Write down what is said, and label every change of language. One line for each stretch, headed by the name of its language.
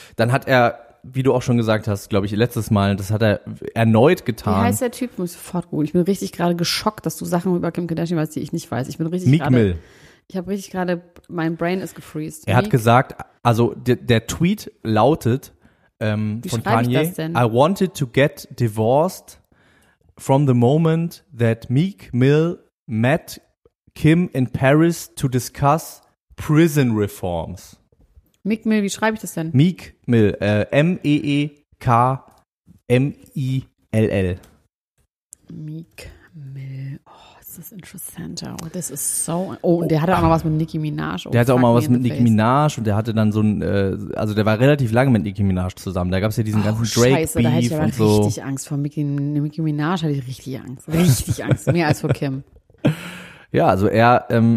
German: Dann hat er, wie du auch schon gesagt hast, glaube ich, letztes Mal, das hat er erneut getan. Wie heißt der Typ? Muss ich sofort googeln. Ich bin richtig gerade geschockt, dass du Sachen über Kim Kardashian weißt, die ich nicht weiß. Ich bin richtig Meek gerade. Mill. Ich habe richtig gerade, mein Brain ist gefreezed. Er Meek. Hat gesagt, also der Tweet lautet von Kanye. Wie schreibe ich das denn?
English: I wanted to get divorced from the moment that Meek Mill met Kim in Paris to discuss prison reforms.
German: Meek Mill, wie schreibe ich das denn? Meek Mill, M-E-E-K-M-I-L-L.
English: Meek Mill, oh, this is interessant. Oh, this is so, oh,
German: und der hatte auch mal was mit Nicki Minaj. Oh, der hatte auch mal was mit Nicki Minaj und der hatte dann so ein, also der war relativ lange mit Nicki Minaj zusammen. Da gab es ja diesen ganzen Drake-Beef und so. Scheiße, da hatte ich aber richtig Angst vor Nicki Minaj, hatte ich richtig Angst, mehr als vor Kim. Ja, also er,